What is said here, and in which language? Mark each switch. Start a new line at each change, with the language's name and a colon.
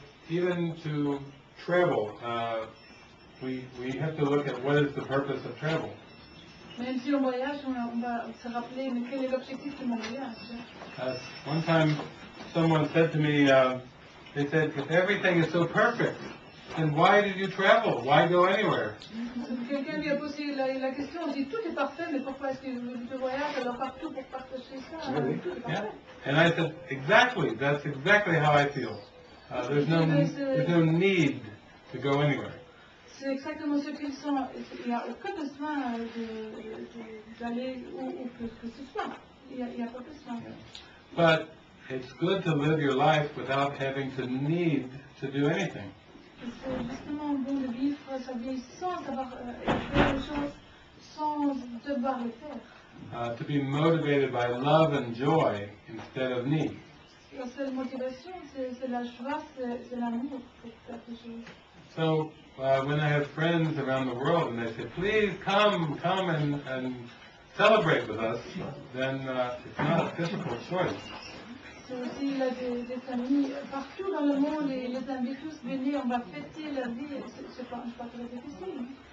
English: Even to travel, we have to look at what is the purpose of travel.
French: Même si on voyage, on va se rappeler mais quel est l'objectif de mon voyage.
English: One time, someone said to me, they said, if everything is so perfect, then why did you travel? Why go anywhere?
French: Quelqu'un lui a posé la question, on dit, tout est parfait, mais pourquoi est-ce que je voyage alors partout pour partager ça? Tout est parfait.
English: And I said, exactly, that's exactly how I feel. There's no need to go anywhere.
French: C'est exactement ce qu'ils sont. Il n'y a aucun besoin d'aller où que ce soit. Il n'y a pas besoin.
English: But it's good to live your life without having to need to do anything.
French: C'est justement bon de vivre sa vie sans avoir faire les choses, sans devoir le faire.
English: To be motivated by love and joy instead of need.
French: La seule motivation, c'est la joie, c'est l'amour pour faire les choses.
English: So, when I have friends around the world and they say, please come and celebrate with us, then it's not a difficult choice.
French: C'est aussi là des amis partout dans le monde et les invite tous venir, on va fêter la vie, c'est pas très difficile.